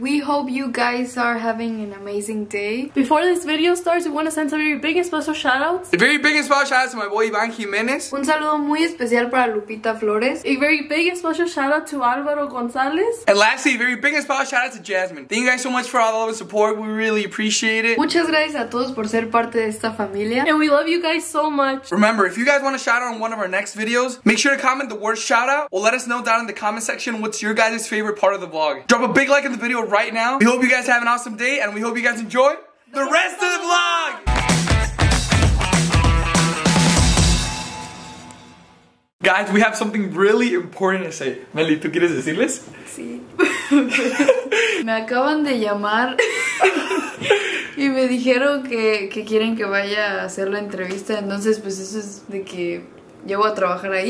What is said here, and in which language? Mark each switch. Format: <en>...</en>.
<en>We hope you guys are having an amazing day. Before this video starts, we want to send some very big and special shout outs. A very big and special shout out to my boy Iván Jiménez.</en> <es>Un saludo muy especial para Lupita Flores.</es> <en>A very big and special shout out to Álvaro González. And lastly, a very big and special shout out to Jasmine. Thank you guys so much for all the support. We really appreciate it.</en> <es>Muchas gracias a todos por ser parte de esta familia.</es> <en>And we love you guys so much. Remember, if you guys want a shout out on one of our next videos, make sure to comment the word shout out or let us know down in the comment section what's your guys' favorite part of the vlog. Drop a big like in the video right now. We hope you guys have an awesome day and we hope you guys enjoy the rest of the vlog. Guys, we have something really important to say.</en> <es>Meli, ¿tú quieres decirles? Sí. Me acaban de llamar y me dijeron que quieren que vaya a hacer la entrevista. Entonces, pues eso es de que yo voy a trabajar ahí.</es>